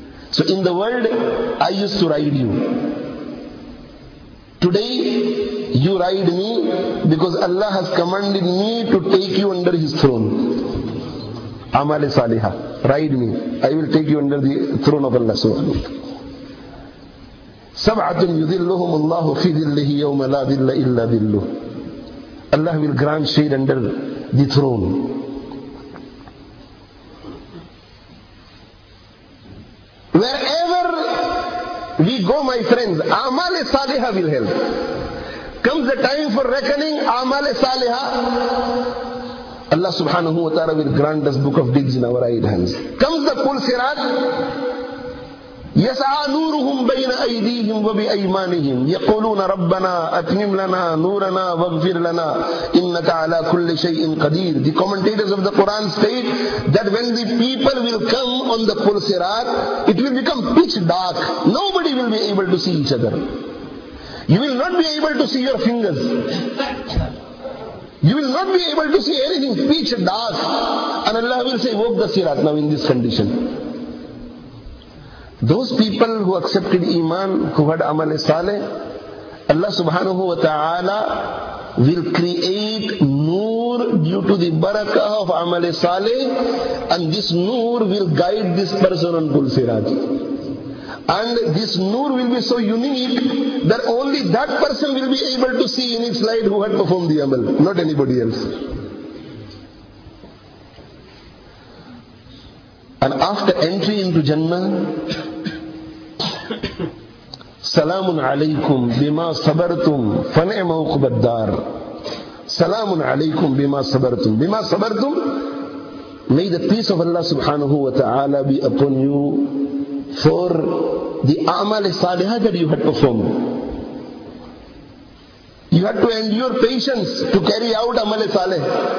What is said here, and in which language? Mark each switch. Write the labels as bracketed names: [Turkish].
[English] So in the world, I used to ride you. Today, you ride me because Allah has commanded me to take you under His throne. Amal-e Saliha, ride me. I will take you under the throne of Allah. [Arabic] سبعة يذلهم الله في ذله يوم لا ذل إلا ذله. [English] Allah will grant shade under the throne. Wherever we go, my friends, Amal-e-Saliha will help. Comes the time for reckoning, Amal-e-Saliha, Allah subhanahu wa ta'ala will grant us book of deeds in our right hands. Comes the full sirat, [Arabic] يَسَعَى نُورُهُمْ بَيْنَ أَيْدِيهِمْ وَبِأَيْمَانِهِمْ يَقُولُونَ رَبَّنَا أَتْمِمْ لَنَا نُورَنَا وَاغْفِرْ لَنَا إِنَّكَ عَلَى كُلِّ شَيْءٍ قَدِيرٍ. [English] The commentators of the Quran state that when the people will come on the full sirat, it will become pitch dark. Nobody will be able to see each other. You will not be able to see your fingers. You will not be able to see anything. Pitch dark. And Allah will say, walk the sirat now in this condition. Those people who accepted Iman, who had Amal Saleh, Allah subhanahu wa ta'ala will create noor due to the barakah of Amal Saleh, and this noor will guide this person on Kul Siraj. And this noor will be so unique that only that person will be able to see in its light who had performed the Amal, not anybody else. And after entry into Jannah, [Arabic] سَلَامٌ عَلَيْكُمْ بِمَا صَبَرْتُمْ فَنِعْمَ عُقْبَى الدَّارِ. سَلَامٌ عَلَيْكُمْ بِمَا صَبَرْتُمْ. بِمَا صَبَرْتُمْ, [English] may the peace of Allah subhanahu wa ta'ala be upon you for the amal-e saliha that you had performed. You had to endure patience to carry out amal-e saliha.